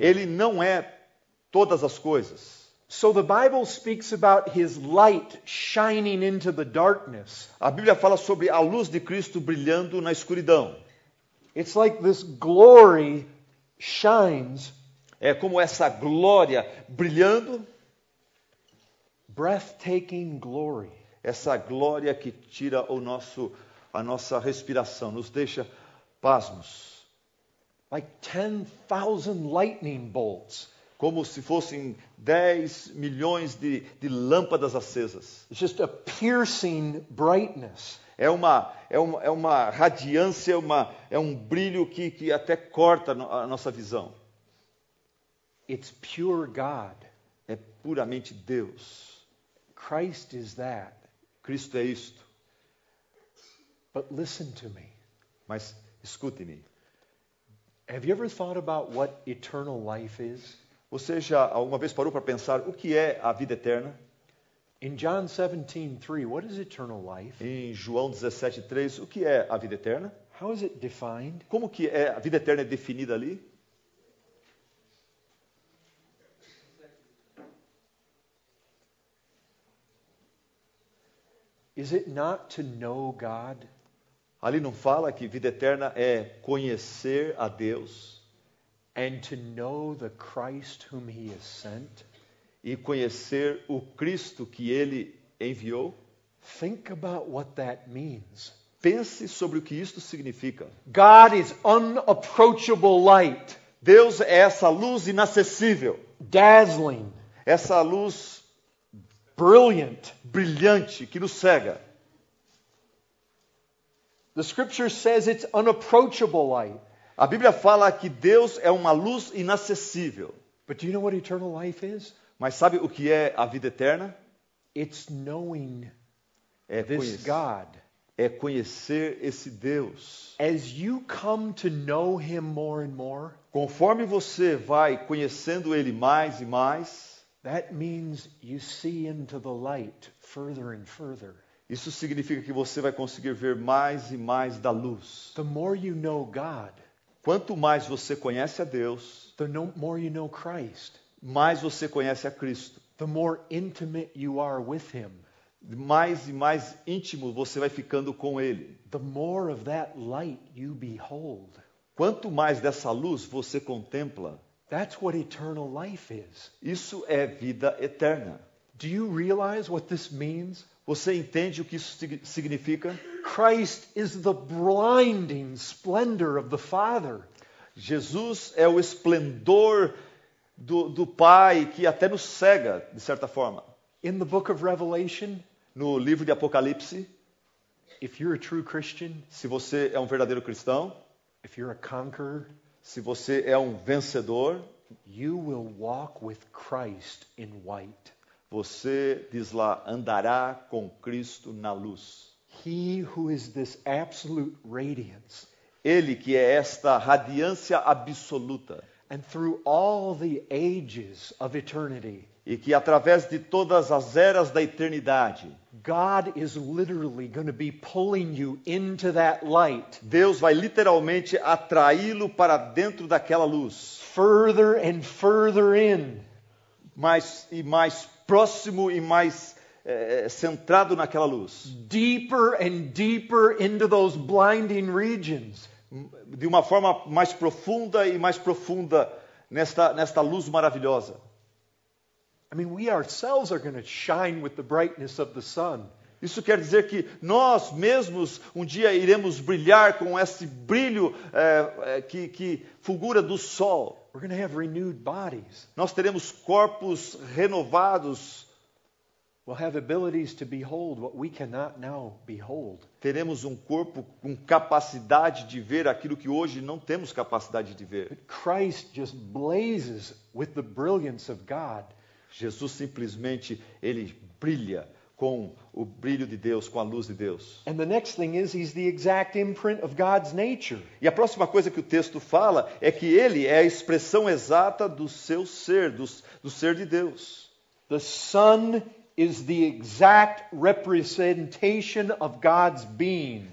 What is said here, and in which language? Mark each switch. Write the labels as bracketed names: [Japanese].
[Portuguese] Ele não é todas as coisas. [English] So the Bible speaks about his light shining into the darkness. [Portuguese] A Bíblia fala sobre a luz de Cristo brilhando na escuridão. [English] It's like this glory shines. [Portuguese] É como essa glória brilhando. [English] Breathtaking glory. [Portuguese] Essa glória que tira a nossa respiração, nos deixa pasmos. [English] Like 10,000 lightning bolts. [Portuguese] Como se fossem 10 milhões de lâmpadas acesas. [English] It's just a piercing brightness. [Portuguese] É uma radiância, é um brilho que até corta a nossa visão. [English] It's pure God. [Portuguese] É puramente Deus. [English] Christ is that. [Portuguese] Cristo é isto. [English] But listen to me. [Portuguese] Mas escute-me. [English] Have you ever thought about what eternal life is? [Portuguese] Você já alguma vez parou para pensar o que é a vida eterna? [English] In John 17:3, what is eternal life? [Portuguese] Em João 17:3, o que é a vida eterna? [English] How is it defined? [Portuguese] Como que é a vida eterna é definida ali? [English] Is it not to know God? [Portuguese] Ali não fala que vida eterna é conhecer a Deus? [English] And to know the Christ whom he has sent? [Portuguese] E conhecer o Cristo que ele enviou? [English] Think about what that means. [Portuguese] Pense sobre o que isto significa. [English] God is unapproachable light. [Portuguese] Deus é essa luz inacessível. [English] Dazzling. [Portuguese] Essa luz [English] brilliant, [Portuguese] brilhante, que nos cega. [English] The scripture says it's unapproachable light. [Portuguese] A Bíblia fala que Deus é uma luz inacessível. [English] But do you know what eternal life is? [Portuguese] Mas sabe o que é a vida eterna? [English] It's knowing [Portuguese] é [English] this God. [Portuguese] É conhecer esse Deus. [English] As you come to know him more and more, [Portuguese] conforme você vai conhecendo ele mais e mais, [English] that means you see into the light further and further. [Portuguese] Isso significa que você vai conseguir ver mais e mais da luz. [English] The more you know God, [Portuguese] quanto mais você conhece a Deus, [English] the more you know Christ, [Portuguese] mais você conhece a Cristo, [English] the more intimate you are with him, [Portuguese] mais e mais íntimo você vai ficando com ele, [English] the more of that light you behold, [Portuguese] quanto mais dessa luz você contempla. [English] That's what eternal life is. [Portuguese] Isso é vida eterna. [English] Do you realize what this means? [Portuguese] Você entende o que isso significa? [English] Christ is the blinding splendor of the Father. [Portuguese] Jesus é o esplendor do Pai que até nos cega de certa forma. [English] In the book of Revelation, [Portuguese] no livro de Apocalipse, [English] if you're a true Christian, [Portuguese] se você é um verdadeiro cristão, [English] if you're a conqueror, [Portuguese] se você é um vencedor, [English] you will walk with Christ in white. [Portuguese] Você diz lá, andará com Cristo na luz. [English] He who is this absolute radiance. [Portuguese] Ele que é esta radiância absoluta. [English] And through all the ages of eternity, [Portuguese] e que através de todas as eras da eternidade, [English] God is literally going to be pulling you into that light. [Portuguese] Deus vai literalmente atraí-lo para dentro daquela luz. [English] Further and further in. [Portuguese] Mais e mais próximo e mais centrado naquela luz. [English] Deeper and deeper into those blinding regions. [Portuguese] De uma forma mais profunda e mais profunda nesta luz maravilhosa. [English] I mean, we ourselves are going to shine with the brightness of the sun. [Portuguese] Isso quer dizer que nós mesmos um dia iremos brilhar com esse brilho que fulgura do sol. [English] We're going to have renewed bodies. [Portuguese] Nós teremos corpos renovados. [English] We'll have abilities to behold what we cannot now behold. [Portuguese] Teremos um corpo com capacidade de ver aquilo que hoje não temos capacidade de ver. [English] But Christ just blazes with the brilliance of God. [Portuguese] Jesus simplesmente, ele brilha com o brilho de Deus, com a luz de Deus. [English] And the next thing is, he's the exact imprint of God's nature. [Portuguese] E a próxima coisa que o texto fala é que ele é a expressão exata do seu ser, do ser de Deus. [English] The Son is the exact representation of God's being.